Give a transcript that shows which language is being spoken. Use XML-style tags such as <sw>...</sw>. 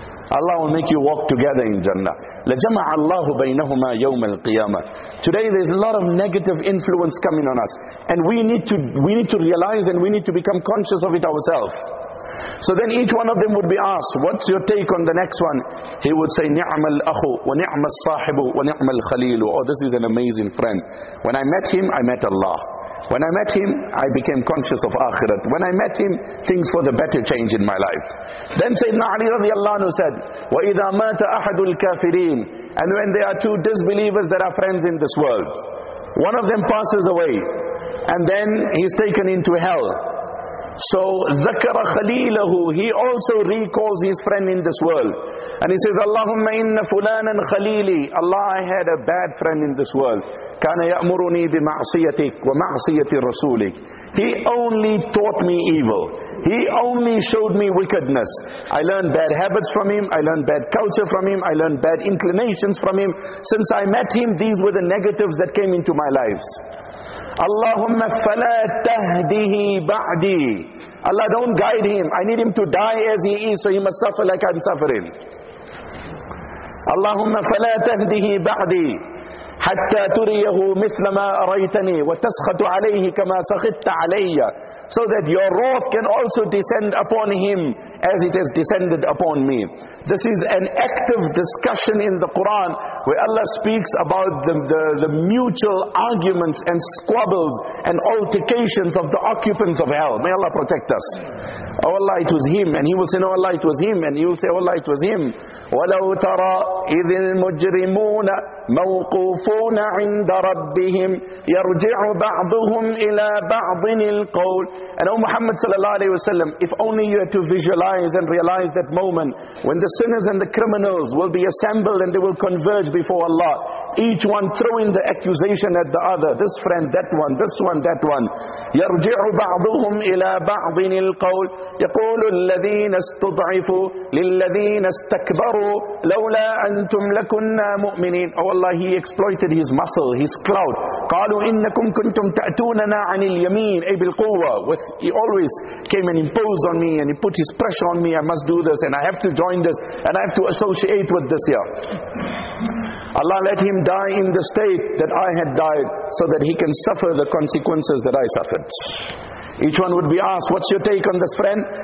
<en>Allah will make you walk together in Jannah.</en> <ar>لَجَمَعَ اللَّهُ بَيْنَهُمَا يَوْمَ الْقِيَامَةِ.</ar> <en>Today there's a lot of negative influence coming on us. And we need to realize and we need to become conscious of it ourselves. So then each one of them would be asked, what's your take on the next one? He would say,</en> <ar>نِعْمَ الْأَخُ وَنِعْمَ الصَّاحِبُ وَنِعْمَ الْخَلِيلُ.</ar> <en>Oh, this is an amazing friend. When I met him, I met Allah. When I met him, I became conscious of Akhirat. When I met him, things for the better change in my life. Then Sayyidina Ali radiallahu anhu said,</en> <ar>وَإِذَا مَاتَ أَحَدُ الْكَافِرِينَ.</ar> <en>And when there are two disbelievers that are friends in this world, one of them passes away, and then he's taken into hell.</en> <ar>So ذَكَرَ خَلِيلَهُ.</ar> <en>He also recalls his friend in this world. And he says,</en> <ar>Allahumma inna fulanan khalili.</ar> <en>Allah, I had a bad friend in this world.</en> <ar>كَانَ يَأْمُرُنِي بِمَعْصِيَتِكَ وَمَعْصِيَةِ رَسُولِكَ.</ar> <en>He only taught me evil. He only showed me wickedness. I learned bad habits from him. I learned bad culture from him. I learned bad inclinations from him. Since I met him, these were the negatives that came into my lives.</en> <ar>اللهم فلا تهديه بعدي.</ar> <en>Allah, don't guide him. I need him to die as he is, so he must suffer like I'm suffering.</en> <ar>اللهم فلا تهديه بعدي حتى تريه مثل ما أريتني وتسخط عليه كما سخطت علي.</ar> <en>So that your wrath can also descend upon him as it has descended upon me. This is an active discussion in the Quran where Allah speaks about the mutual arguments and squabbles and altercations of the occupants of hell. May Allah protect us. Oh Allah, it was him. And he will say, no Allah, it was him. And he will say, oh Allah, it was him.</en> <ar>وَلَوْ تَرَى إِذِ الْمُجْرِمُونَ مَوْقُوفُ يتشاجرون عند ربهم يرجع بعضهم إلى بعض القول.</ar> <en>And O Muhammad sallallahu alayhi wasallam, if only you had to visualize and realize that moment when the sinners and the criminals will be assembled and they will converge before Allah, each one throwing the accusation at the other, this friend, that one, this one, that one.</en> <ar>يرجع بعضهم إلى بعض القول يقول الذين استضعفوا للذين استكبروا لولا أنتم لكنا مؤمنين.</ar> <en>Oh Allah, he exploited his muscle, his clout.</en> <ar>قالوا إنكم كنتم تأتوننا عن اليمين أي بالقوة.</ar> <en>With, he always came and imposed on me and he put his pressure on me, I must do this and I have to join this and I have to associate with this here. Allah, let him die in the state that I had died so that he can suffer the consequences that I suffered. Each one would be asked, what's your take on this friend?</en>